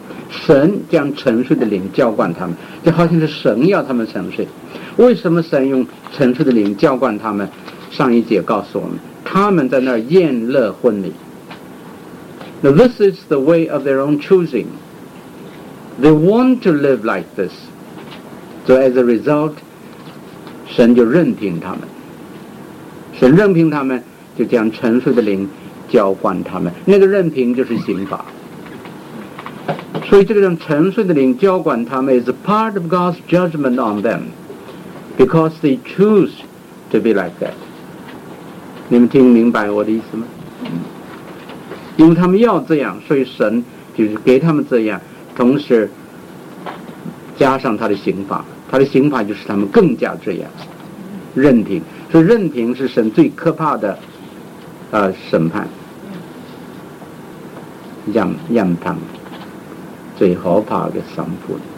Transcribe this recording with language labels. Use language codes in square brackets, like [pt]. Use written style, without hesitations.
[zh] 神将沉睡的灵浇灌他们，就好像是神要他们沉睡。为什么神用沉睡的灵浇灌他们？上一节告诉我们，他们在那儿宴乐婚礼。 [en] Now this is the way of their own choosing. They want to live like this. So as a result, [zh] 神就任凭他们。神任凭他们，就将沉睡的灵浇灌他们。那个任凭就是刑罚。所以这个人沉睡的灵浇灌他们 [en] is a part of God's judgment on them because they choose to be like that。 [zh] 你们听明白我的意思吗？因为他们要这样，所以神就是给他们这样，同时加上他的刑罚，他的刑罚就是他们更加这样任凭。所以任凭是神最可怕的审判，让他们最可怕的审判。